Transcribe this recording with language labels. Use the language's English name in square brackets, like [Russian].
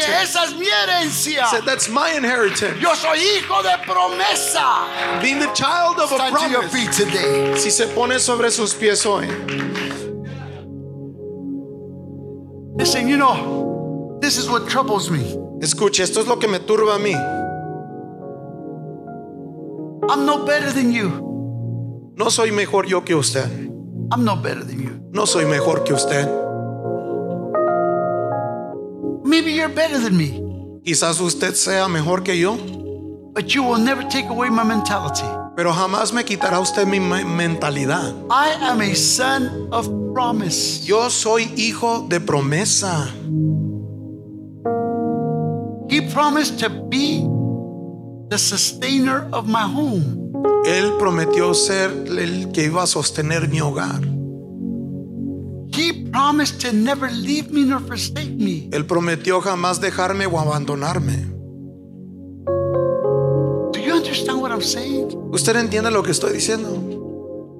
[Spanish] Dije, esa es mi herencia. [English] Said, that's my inheritance. [Spanish] Yo soy hijo de promesa. [English] Being the child of stand a to Your feet today. [Spanish] Si se pone sobre sus pies hoy. [English] Listen, you know, this is what troubles me. [Spanish] Escuche, esto es lo que me turba a mí. [English] I'm no better than you. [Spanish] No soy mejor yo que usted. [English] I'm no better than you. [Spanish] No soy mejor que usted. [English] Maybe you're better than me. [Spanish] Quizás usted sea mejor que yo. [English] But you will never take away my mentality. [Spanish] Pero jamás me quitará usted mi mentalidad. [English] I am a son of promise. [Spanish] Yo soy hijo de promesa. [English] He promised to be the sustainer of my home. [Spanish] Él prometió ser el que iba a sostener mi hogar. [English] He promised to never leave me nor forsake me. [Spanish] Él prometió jamás dejarme o abandonarme. [English] Do you understand what I'm saying? [Spanish] ¿Usted entiende lo que estoy diciendo?